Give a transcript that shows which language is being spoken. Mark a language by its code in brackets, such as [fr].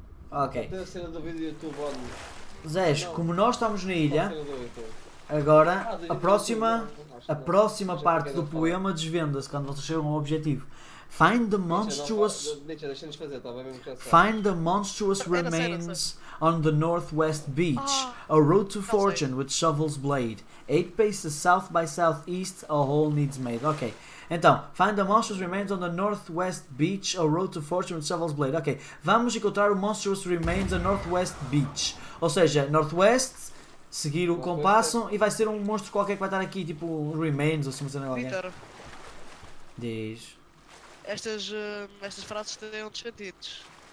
[pt] Ok. Tem a cena do vídeo do YouTube, onde... Zés, não, como nós estamos na ilha, agora a próxima parte do poema desvenda-se quando vocês chegam ao objetivo. [en] Find the monstrous. Find the monstrous remains on the northwest beach. A road to fortune with shovel's blade. 8 paces south by southeast, a hole needs made. Ok. [pt] Então, [en] find the monstrous remains on the northwest beach. A road to fortune with shovel's blade. Ok. [pt] Vamos encontrar o [en] monstrous remains on the northwest beach. [pt] Ou seja, northwest, seguir o compasso e vai ser um monstro qualquer que vai estar aqui, tipo remains ou se não sei lá. Peter. Diz. Estas frases têm outros sentidos.